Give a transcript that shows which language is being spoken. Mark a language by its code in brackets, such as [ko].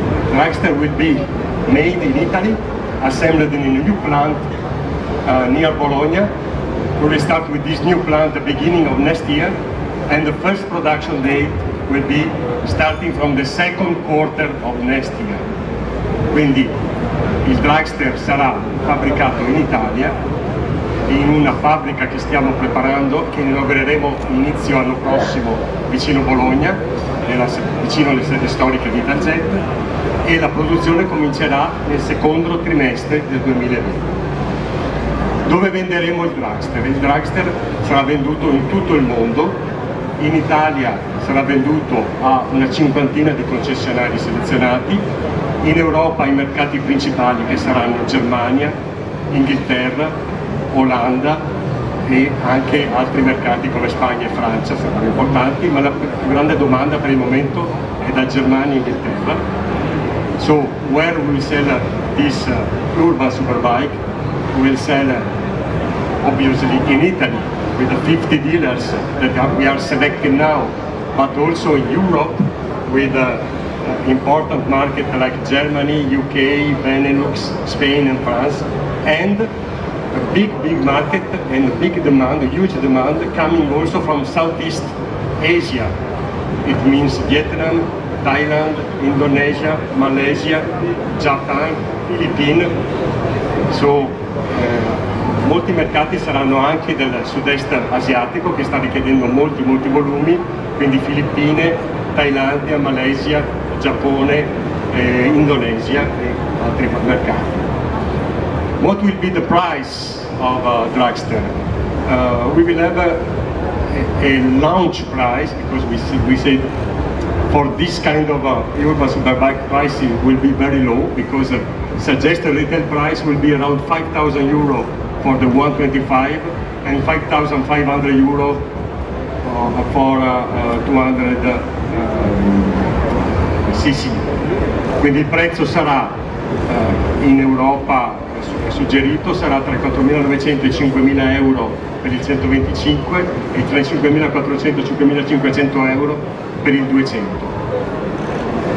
[en] Dragster will be made in Italy, assembled in a new plant near Bologna. We will start with this new plant the beginning of next year, and the first production date will be starting from the second quarter of next year. [it] Quindi il dragster sarà fabbricato in Italia in una fabbrica che stiamo preparando, che inaugureremo inizio anno prossimo vicino Bologna, vicino alle sede storiche di Italjet, e la produzione comincerà nel secondo trimestre del 2020. Dove venderemo il dragster? Il dragster sarà venduto in tutto il mondo, in Italia sarà venduto a una cinquantina di concessionari selezionati, in Europa i mercati principali che saranno Germania, Inghilterra, Olanda, e anche altri mercati come Spagna e Francia saranno importanti, ma la grande domanda per il momento è da Germania e Inghilterra. [en] So, where will we sell this urban superbike? We will sell obviously in Italy with the 50 dealers that we are selecting now, but also in Europe with important markets like Germany, UK, Benelux, Spain and France, and a big, big market and a big demand, a huge demand coming also from Southeast Asia. It means Vietnam, Thailand, Indonesia, Malaysia, Japan, Philippines. [it] So, molti mercati saranno anche del sud-est asiatico che sta richiedendo molti, molti volumi, quindi Filippine, Thailandia, Malaysia, Giappone, Indonesia e altri mercati. [en] What will be the price of a Dragster? We will have a launch price, because we said for this kind of urban superbike pricing will be very low, because the suggested retail price will be around 5,000 euro for the 125 and 5,500 euro for 200cc. [it] Quindi il prezzo sarà in Europa suggerito sarà tra 4.900 e 5.000 euro per il 125 e tra i 5.400 e 5.500 euro per il 200.